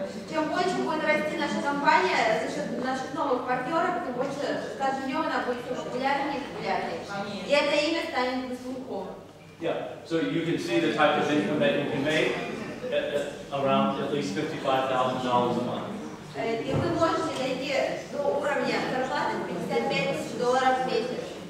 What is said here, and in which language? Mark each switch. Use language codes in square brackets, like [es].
[ru] Чем больше будет расти наша компания за счет наших новых партнеров, тем больше каждый день она будет популярнее и популярнее. И это имя станет на слуху. [en] Yeah, so you can see the type of income that you can make around at least $55,000 a month. [ru] И вы можете найти до уровня зарплаты $55,000 в месяц.